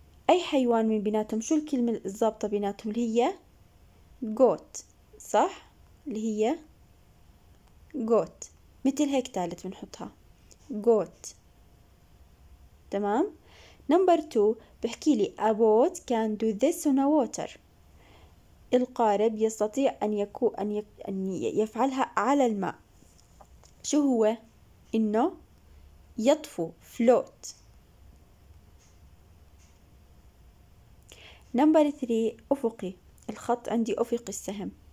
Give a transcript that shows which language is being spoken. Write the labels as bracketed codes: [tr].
[ar] أي حيوان من بيناتهم؟ شو الكلمة الضابطة بيناتهم؟ اللي هي goat صح؟ اللي هي goat مثل هيك تالت بنحطها goat. تمام، [en] number two [ar] احكي لي. [en] A boat can do this on a water. [ar] القارب يستطيع أن يكون أن يفعلها على الماء. شو هو؟ إنه يطفو. Float. [en] Number three. [ar] أفقي. الخط عندي أفقي السهم.